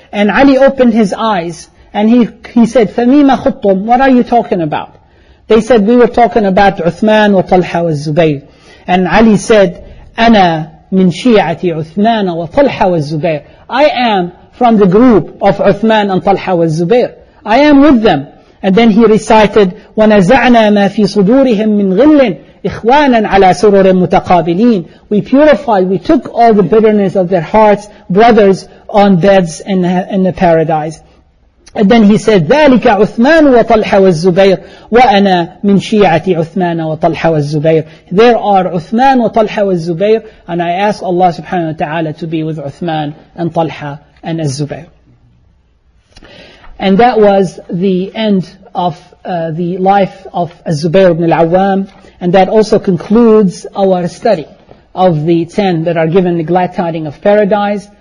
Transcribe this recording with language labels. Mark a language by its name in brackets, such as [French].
[English] And Ali opened his eyes, and he said, [Arabic] "Famima khuttum, [English] what are you talking about?" They said, "We were talking about Uthman, wa Talha, wa Zubayr." And Ali said, [Arabic] "Ana min shi'ati Uthman, wa Talha, wa Zubayr. [English] I am from the group of Uthman and Talha wa Zubair. I am with them." [Arabic] And then he recited, وَنَزَعْنَا مَا فِي صُدُورِهِمْ مِنْ غِلٍّ إِخْوَانًا عَلَى سُرُرٍ مُتَقَابِلِينَ. [English] We purified, we took all the bitterness of their hearts, brothers on beds in the paradise. And then he said, [Arabic] ذَلِكَ عُثْمَان وَطَلْحَ وَالزُّبَيْرِ وَأَنَا مِنْ شِيَعَةِ عُثْمَانَ وَطَلْحَ وَالزُّبَيْرِ. [English] There are Uthman wa Talha wa Zubair, and I ask Allah subhanahu wa ta'ala to be with Uthman and Talha and Az-Zubayr. And that was the end of the life of Az-Zubayr ibn al-Awwam. And that also concludes our study of the 10 that are given the glad tiding of paradise.